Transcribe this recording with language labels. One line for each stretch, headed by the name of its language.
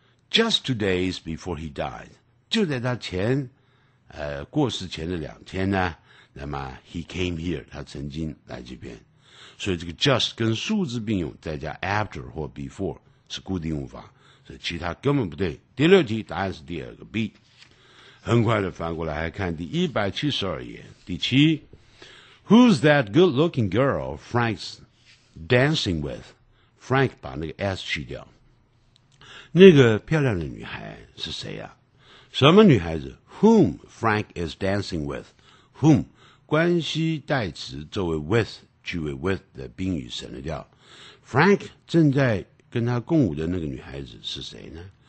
English: Just 2 days before he died,
Chinese: 就在他前过世前的2天呢，那么
English: he came here,
Chinese: 他曾经来这边。所以这个 just 跟数字并用，再加 after 或 before 是固定用法，所以其他根本不对。第六题答案是第二个 B。很快的翻过来还看第172页，第七。
English: Who's that good-looking girl Frank's dancing with?
Chinese: Frank 把那个 S 去掉。那个漂亮的女孩是谁啊？什么女孩子？
English: Whom Frank is dancing with?
Chinese: Whom 关系代词作为 with 句尾 with 的宾语省了掉。Frank 正在跟他共舞的那个女孩子是谁呢？